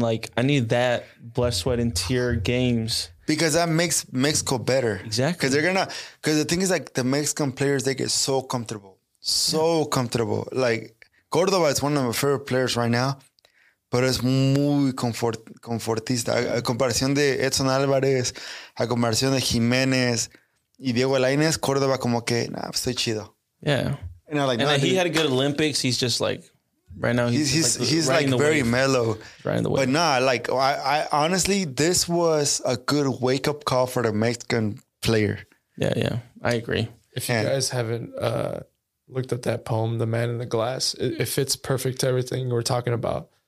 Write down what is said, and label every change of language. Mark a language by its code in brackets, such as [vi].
[en] Like, I need that blood, sweat, and tear games. Because that makes Mexico better. Exactly. Because the thing is, like, the Mexican players, they get so comfortable. Comfortable. Like, Córdoba is one of my favorite players right now, but it's muy confortista. [es] A comparación de Edson Álvarez, a comparación de Jiménez y Diego Lainez, Córdoba como que, estoy chido. [en] Yeah. And I'm like, and he had a good Olympics. He's just like, right now, he's very mellow. But nah, like, I honestly, this was a good wake up call for the Mexican player. Yeah, yeah, I agree. You guys haven't looked at that poem, The Man in the Glass, it fits perfect to everything we're talking about.